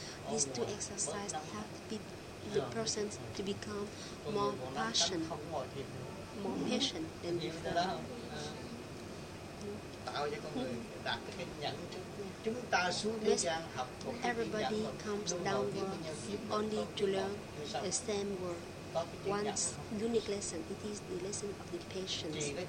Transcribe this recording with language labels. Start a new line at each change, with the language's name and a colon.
English: These two exercises help the person to become more patient, more patient than before.
Vietnamese: Tạo cho con người đạt cái nhẫn trước. Chúng ta xuống thế gian học một cái
English: everybody comes downward only to learn the same word. One unique lesson, it is the lesson of the patience.